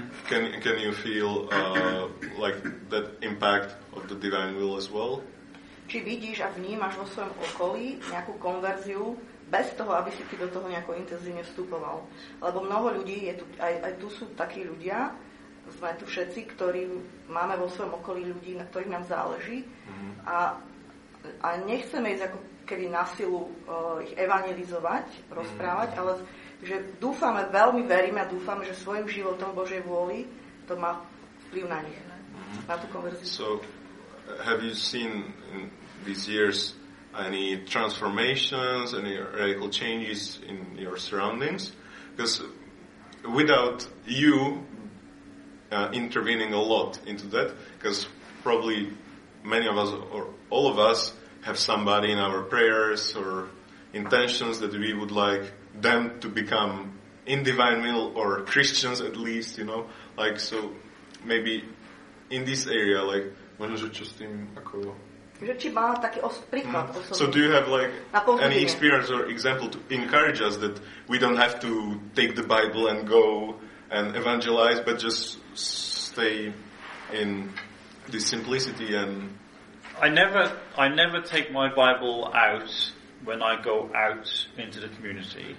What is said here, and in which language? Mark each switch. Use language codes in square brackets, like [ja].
[en] Can you feel like that impact of the divine will as well? [sk] Či vidíš a vnímaš vo svojom okolí nejakú konverziu bez toho, aby si ty do toho nejako intenzívne vstupoval? Lebo mnoho ľudí, je tu, aj tu sú takí ľudia, sme tu všetci, ktorí máme vo svojom okolí ľudí, na ktorých nám záleží. Mm-hmm. A nechceme ísť ako keby na silu ich evangelizovať, rozprávať, mm-hmm. ale že dúfame, veľmi veríme a dúfame, že svojim životom Božej vôli to má vplyv na nich. Mm-hmm. Na tú konverziu. [en] So, have you seen in these years any transformations, any radical changes in your surroundings? Because without you intervening a lot into that, because probably many of us or all of us have somebody in our prayers or intentions that we would like them to become in divine will or Christians at least, you know, like, so maybe in this area, like, [sk] možno, že čo s tým ako... Že či má taký príklad osobný. [en] So do you have like any experience or example to encourage us that we don't have to take the Bible and go and evangelize, but just stay in this simplicity and... I never take my Bible out when I go out into the community.